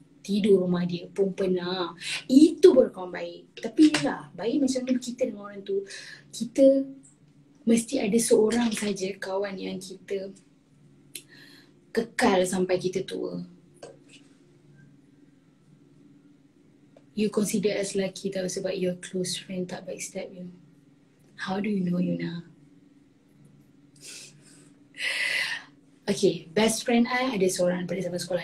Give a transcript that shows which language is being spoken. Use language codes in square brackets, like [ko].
[ms] Tidur rumah dia pun pernah. Itu baru kawan baik. Tapi ni lah, baik macam ni kita dengan orang tu. Kita mesti ada seorang saja kawan yang kita kekal sampai kita tua. [en] You consider as lucky [ms] tau sebab [en] your close friend tak backstab you. How do you know, Yuna? [ms] Okay, [en] best friend I [ms] ada seorang pada zaman sekolah.